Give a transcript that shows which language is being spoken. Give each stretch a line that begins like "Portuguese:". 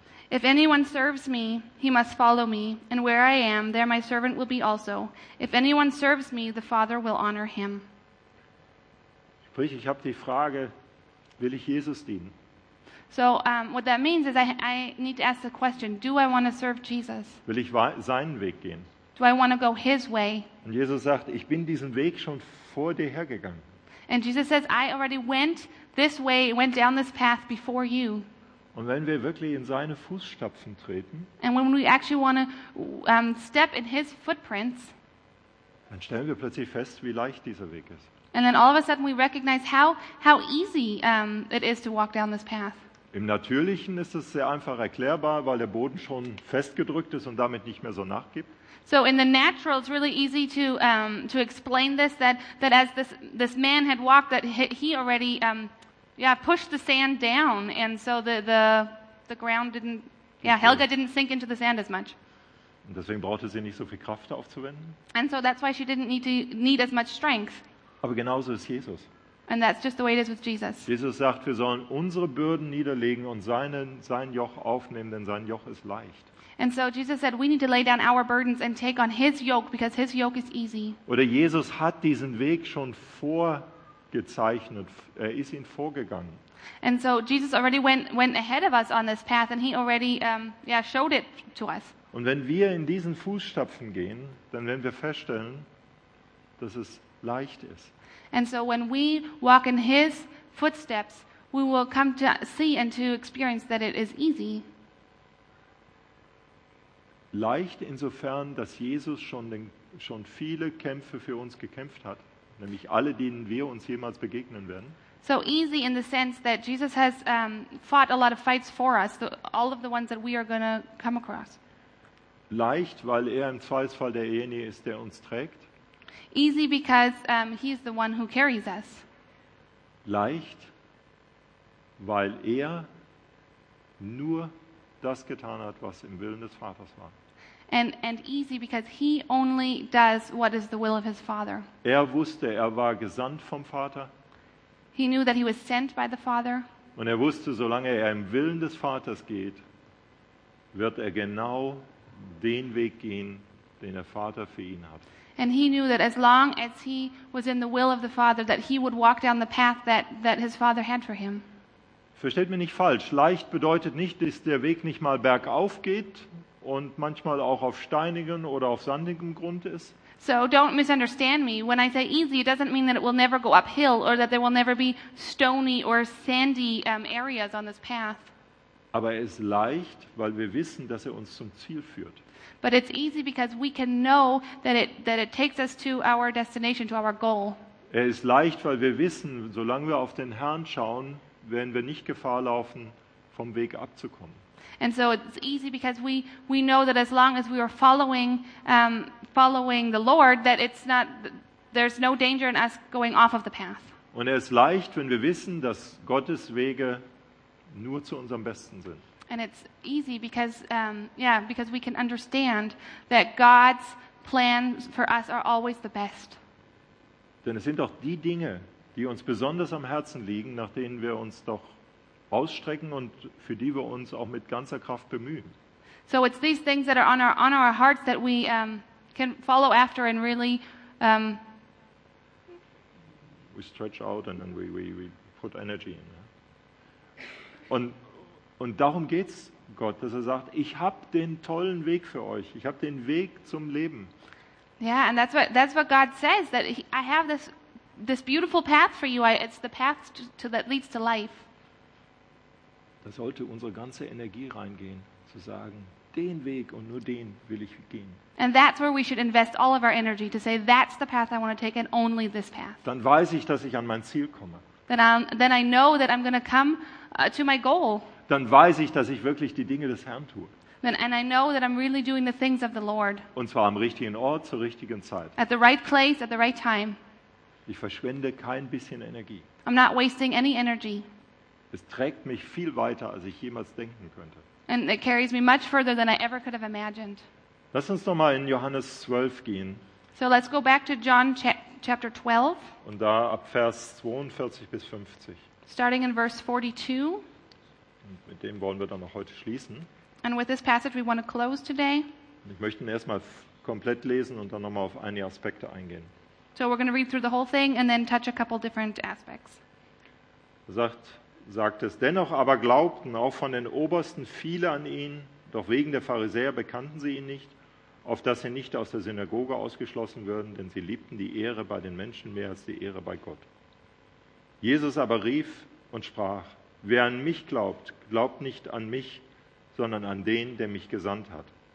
English: If anyone serves me, he must follow me. And where I am, there my servant will be also. If anyone serves me, the Father will honor him.
German: Sprich, ich habe die Frage, will ich Jesus dienen?
English: So what that means is I need to ask the question, do I want to serve Jesus?
German: Will ich seinen Weg gehen?
English: Do I want to go his way?
German: Und Jesus sagt, ich bin diesen Weg schon vor dir hergegangen.
English: And Jesus says, I already went this way, went down this path before you.
German: Und wenn wir wirklich in seine Fußstapfen treten,
English: and when we actually want to step in his footprints,
German: dann stellen wir plötzlich fest, wie leicht dieser Weg ist.
English: And then all of a sudden we recognize how easy it is to walk down this path.
German: Im Natürlichen ist es sehr einfach erklärbar, weil der Boden schon festgedrückt ist und damit nicht mehr so nachgibt.
English: So in the natural it's really easy to explain this, that as this man had walked, that he already pushed the sand down, and so the ground didn't, Helga didn't sink into the sand as much.
German: Und deswegen brauchte sie nicht so viel Kraft aufzuwenden.
English: And so that's why she didn't need as much strength.
German: Aber genauso ist Jesus.
English: And that's just the way it is with Jesus.
German: Jesus sagt, wir sollen unsere Bürden niederlegen und sein Joch aufnehmen, denn sein Joch ist leicht.
English: And so Jesus said, we need to lay down our burdens and take on his yoke, because his yoke is easy.
German: Oder Jesus hat diesen Weg schon vorgezeichnet. Er ist ihn vorgegangen.
English: And so Jesus already went ahead of us on this path, and he already showed it to us.
German: Und wenn wir in diesen Fußstapfen gehen, dann werden wir feststellen, dass es leicht ist.
English: And so when we walk in his footsteps, we will come to see and to experience that it is easy.
German: Leicht insofern, dass Jesus schon viele Kämpfe für uns gekämpft hat, nämlich alle, denen wir uns jemals begegnen werden.
English: So easy in the sense that Jesus has fought a lot of fights for us, all of the ones that we are going to come across.
German: Leicht, weil er im Zweifelsfall derjenige ist, der uns trägt.
English: Easy, because he's the one who carries us.
German: Leicht, weil er nur das getan hat, was im Willen des Vaters war.
English: And easy, because he only does what is the will of his Father.
German: Er wusste, er war gesandt vom Vater.
English: He knew that he was sent by the Father.
German: Und er wusste, solange er im Willen des Vaters geht, wird er genau den Weg gehen, den der Vater für ihn hat.
English: And he knew that as long as he was in the will of the Father, that he would walk down the path that his Father had for him.
German: Versteht mich nicht falsch. Leicht bedeutet nicht, dass der Weg nicht mal bergauf geht und manchmal auch auf steinigen oder auf sandigem Grund ist.
English: So don't misunderstand me. When I say easy, it doesn't mean that it will never go uphill or that there will never be stony or sandy areas on this path.
German: Aber es ist leicht, weil wir wissen, dass er uns zum Ziel führt.
English: But it's easy, because we can know that it takes us to our destination, to our goal.
German: Er ist leicht, weil wir wissen, solange wir auf den Herrn schauen, werden wir nicht Gefahr laufen, vom Weg abzukommen.
English: And so it's easy, because we know that as long as we are following the Lord, that it's not there's no danger in us going off of the path.
German: Und er ist leicht, wenn wir wissen, dass Gottes Wege nur zu unserem Besten sind.
English: And it's easy because because we can understand that God's plans for us are always the best.
German: Denn es sind doch die Dinge, die uns besonders am Herzen liegen, nach denen wir uns doch ausstrecken und für die wir uns auch mit ganzer Kraft bemühen.
English: So it's these things that are on our hearts that we can follow after and really we stretch out and then we put energy in.
German: Und darum geht's Gott, dass er sagt, ich habe den tollen Weg für euch. Ich habe den Weg zum Leben.
English: Yeah, and that's what God says, that I have this beautiful path for you. It's the path to that leads to life.
German: Da sollte unsere ganze Energie reingehen, zu sagen, den Weg und nur den will ich gehen.
English: And that's where we should invest all of our energy to say that's the path I want to take and only this path.
German: Dann weiß ich, dass ich an mein Ziel komme.
English: Then I know that I'm going to come to my goal.
German: Dann weiß ich, dass ich wirklich die Dinge des Herrn tue.
English: And I know that I'm really doing the things of the Lord.
German: Und zwar am richtigen Ort zur richtigen Zeit.
English: At the right place at the right time.
German: Ich verschwende kein bisschen Energie.
English: I'm not wasting any energy.
German: Es trägt mich viel weiter, als ich jemals denken könnte.
English: And it carries me much further than I ever could have imagined.
German: Lass uns noch mal in Johannes 12 gehen.
English: So let's go back to John chapter 12.
German: Und da ab Vers 42 bis 50.
English: Starting in verse 42.
German: Und mit dem wollen wir dann noch heute schließen.
English: And with this passage we want to close today.
German: Und ich möchte ihn erstmal komplett lesen und dann noch mal auf einige Aspekte eingehen.
English: So we're going to read through the whole thing and then touch a couple different aspects.
German: Sagt es, dennoch aber glaubten auch von den Obersten viele an ihn, doch wegen der Pharisäer bekannten sie ihn nicht, auf dass sie nicht aus der Synagoge ausgeschlossen würden, denn sie liebten die Ehre bei den Menschen mehr als die Ehre bei Gott. Jesus aber rief und sprach, wer an mich glaubt, glaubt nicht an mich, sondern an den, der mich gesandt hat.